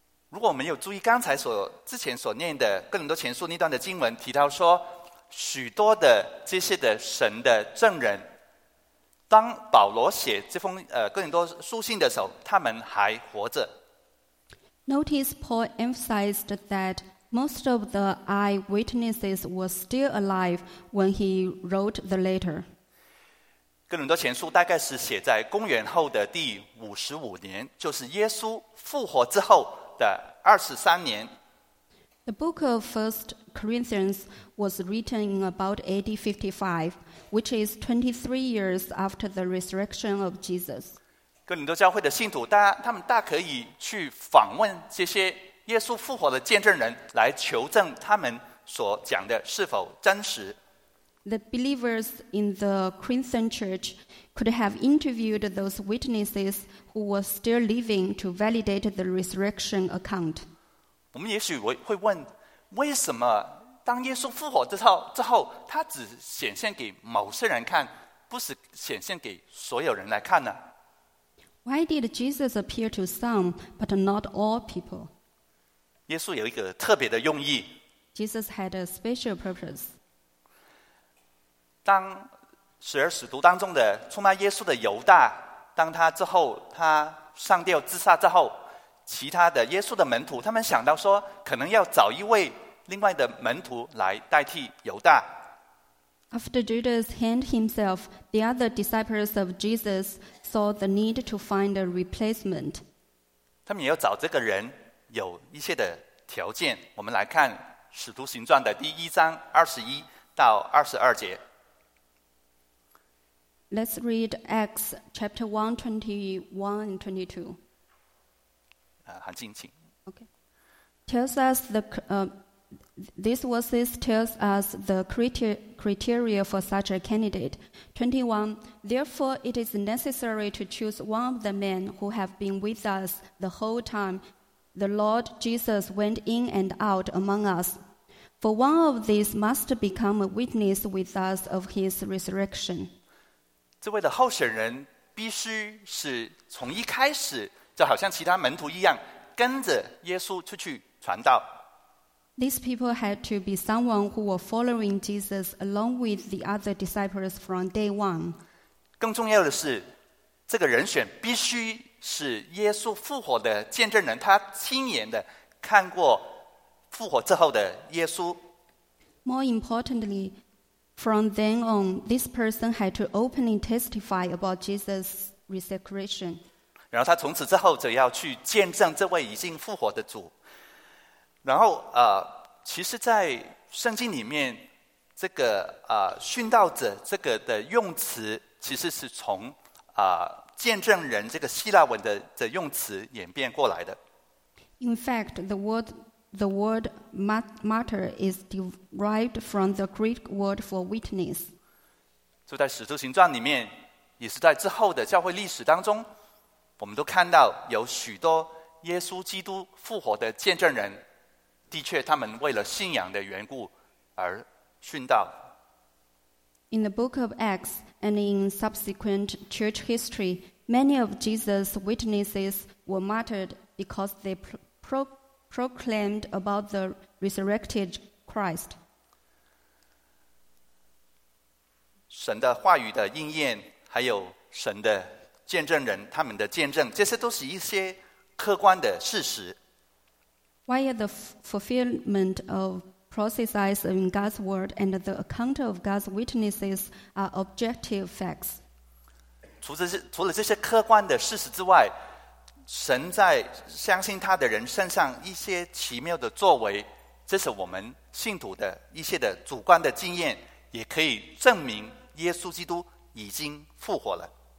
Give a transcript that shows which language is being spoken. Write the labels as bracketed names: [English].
[Chinese] 如果我们有注意刚才所之前所念的哥林多前书那段的经文，提到说许多的这些的神的证人，当保罗写这封哥林多书信的时候，他们还活着。 [English] Notice Paul emphasized thatMost of the eyewitnesses were still alive when he wrote the letter. [Chinese] 哥林多前书大概是写在公元后的第55年，就是耶稣复活之后的23年。 [English] The book of First Corinthians was written in about AD 55, which is 23 years after the resurrection of Jesus. [Chinese] 哥林多教会的信徒，他们可以去访问这些耶稣复活的见证人，来求证他们所讲的是否真实。 [English] The believers in the Corinthian church could have interviewed those witnesses who were still living to validate the resurrection account. [Chinese] 我们也许会问，为什么当耶稣复活之后，他只显现给某些人看，不是显现给所有人来看呢？ [English] Why did Jesus appear to some but not all people? [Chinese] 耶稣有一个特别的用意。 [English] Jesus had a special purpose. [Chinese] 当十二使徒当中的出卖耶稣的犹大，当他之后他上吊自杀之后，其他的耶稣的门徒，他们想到说，可能要找一位另外的门徒来代替犹大。 [English] After Judas hanged himself, the other disciples of Jesus saw the need to find a replacement. [Chinese] 他们也要找这个人。有一些的条件，我们来看《使徒行传》的第一章21到22节。 [English] Let's read Acts chapter 1:21 and 22. [Chinese] 韩静，请。 [English] Okay. Tells us the this verses tells us the criteria for such a candidate. 21. Therefore, it is necessary to choose one of the men who have been with us the whole time. The Lord Jesus went in and out among us. For one of these must become a witness with us of his resurrection. [Chinese] 这位的候选人必须是从一开始就好像其他门徒一样跟着耶稣出去传道。 [English] These people had to be someone who were following Jesus along with the other disciples from day one. [Chinese] 更重要的是，这个人选必须是耶稣复活的见证人，他亲眼的看过复活之后的耶稣。 [English] More importantly, from then on, this person had to openly testify about Jesus' resurrection. [Chinese] 然后他从此之后就要去见证这位已经复活的主。然后其实在圣经里面，这个殉道者这个的用词，其实是从见证人这个希腊文的用词演变过来的。 [English] In fact, the word martyr is derived from the Greek word for witness. [Chinese] 就在《使徒行传》里面，也是在之后的教会历史当中，我们都看到有许多耶稣基督复活的见证人，的确，他们为了信仰的缘故而殉道。 [English] In the book of Acts and in subsequent church history, many of Jesus' witnesses were martyred because they proclaimed about the resurrected Christ. [Chinese] 神的话语的应验，还有神的见证人他们的见证，这些都是一些客观的事实。 [English] Why are the fulfillment of processes in God's word and the account of God's witnesses are objective facts? [Chinese] 除了这些客观的事实之外，神在相信他的人身上一些奇妙的作为，这是我们信徒的一些的主观的经验，也可以证明耶稣基督已经复活了。